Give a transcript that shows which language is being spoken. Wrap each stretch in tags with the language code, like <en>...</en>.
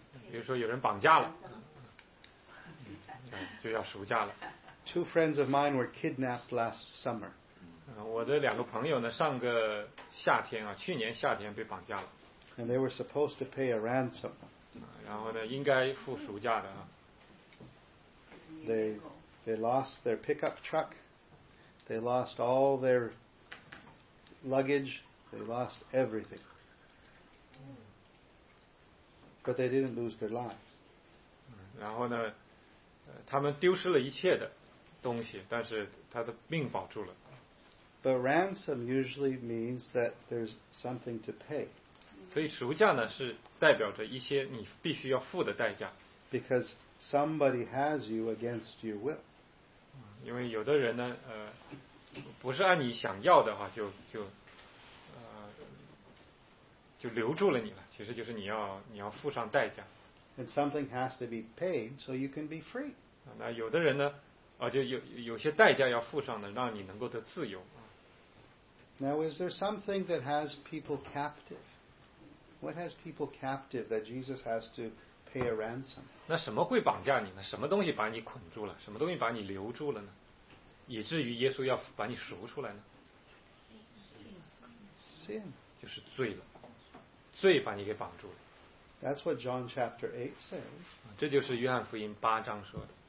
<zh>比如说有人绑架了，就要赎价了。</zh> <en>Two friends of mine were kidnapped last summer.</en> <zh>我的两个朋友呢，上个夏天啊，去年夏天被绑架了。</zh> <en>And they were supposed to pay a ransom.</en> <zh>然后呢，应该付赎价的啊。</zh> <en>They lost their pickup truck. They lost all their luggage. They lost everything. But they didn't lose their lives.</en> <zh>然后呢，他们丢失了一切的东西，但是他的命保住了。</zh> <en>But ransom usually means that there's something to pay.</en> <zh>所以赎价呢是代表着一些你必须要付的代价。</zh> <en>Because somebody has you against your will.</en> <zh>因为有的人呢，不是按你想要的话就留住了你了，其实就是你要付上代价。</zh> <en>And something has to be paid so you can be free.</en> <zh>那有的人呢，就有些代价要付上呢，让你能够得自由。</zh> <en>Now, is there something that has people captive? What has people captive that Jesus has to pay a ransom?</en> <zh>那什么会绑架你呢？什么东西把你捆住了？什么东西把你留住了呢？以至于耶稣要把你赎出来呢？</zh> <en>Sin.</en> <zh>就是罪了，罪把你给绑住了。</zh> <en>That's what John chapter 8 says.</en> <zh>这就是约翰福音八章说的。</zh>